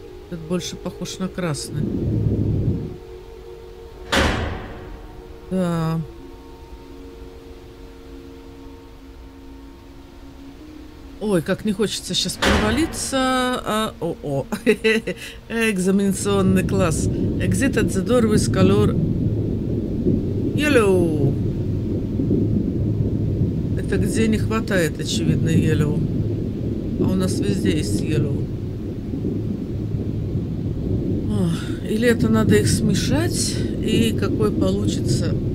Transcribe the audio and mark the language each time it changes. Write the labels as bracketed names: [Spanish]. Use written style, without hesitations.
[Russian] Этот больше похож на красный. Да. Ой, как не хочется сейчас провалиться. О-о. Экзаменационный класс. [English] Exit at the door with color yellow. [Russian] Это где не хватает, очевидно, yellow. А у нас везде есть yellow. О, или это надо их смешать, и какой получится...